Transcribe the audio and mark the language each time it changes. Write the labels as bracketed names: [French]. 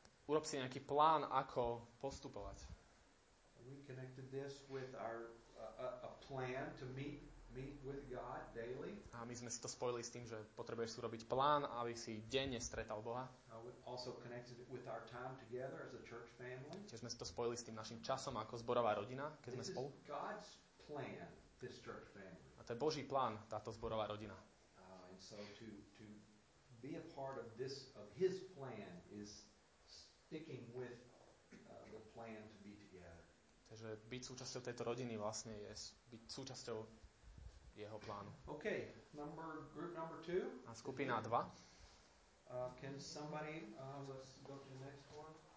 [Slovak] Urob si nejaký plán, ako postupovať. [English] We connected this with our a plan to meet with God daily. [Slovak] A my sme si to spojili s tým, že potrebuješ si urobiť plán, aby si denne stretal Boha. [English] Also connected with our time together as a church family. [Slovak] Tiež sme si to spojili s tým našim časom ako zborová rodina, keď sme spolu. [English] God's plan, this church family. [Slovak] A to je Boží plán, táto zborová rodina. [English] So to be a part of this of his plan is sticking with the plan to be together. [Slovak] Takže byť súčasťou tejto rodiny vlastne je byť súčasťou jeho plánu. [English] Okay, group number 2. [Slovak] A skupina 2. [English] Can somebody let's go to the next one?